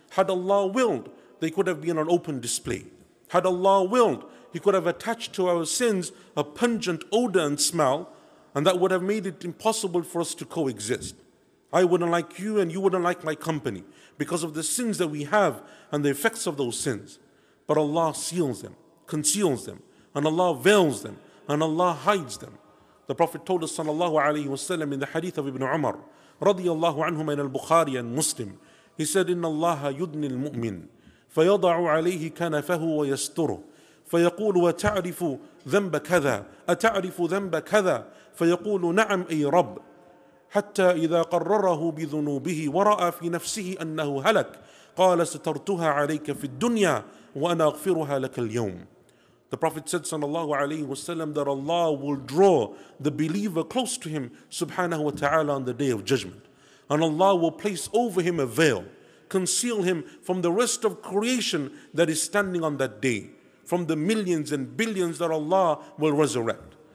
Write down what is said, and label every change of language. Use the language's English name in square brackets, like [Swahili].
[English] Had Allah willed, they could have been on open display. Had Allah willed, He could have attached to our sins a pungent odor and smell, and that would have made it impossible for us to coexist. I wouldn't like you and you wouldn't like my company because of the sins that we have and the effects of those sins. But Allah seals them, conceals them, and Allah veils them, and Allah hides them. The Prophet told us sallallahu alayhi wa sallam in the hadith of Ibn Umar, radiyallahu anhu min al-Bukhari and Muslim, he said, [Arabic] إِنَّ اللَّهَ يُدْنِي الْمُؤْمِنِ فَيَضَعُ عَلَيْهِ كَنَفَهُ وَيَسْتُرُهُ فَيَقُولُ وَتَعْرِفُ ذَنْبَ كَذَا أَتَعْرِفُ ذَنْبَ كَذَا فَيَقُولُ نَعَمْ أَيْ رَبْ حَتَّى إِذَا قَرَّرَهُ بِذُنُوبِهِ وَرَأَى فِي نَفْسِهِ أَنَّهُ هَلَكَ قَالَ سَتَرْتُهَا عَلَيْكَ فِي الدُّنْيَا وَأَنَا أَغْفِرُهَا لَكَ الْيَوْمَ. [English] The Prophet said sallallahu alayhi wa sallam that Allah will draw the believer close to him subhanahu wa ta'ala on the day of judgment. And Allah will place over him a veil, conceal him from the rest of creation that is standing on that day, from the millions and billions that Allah will resurrect.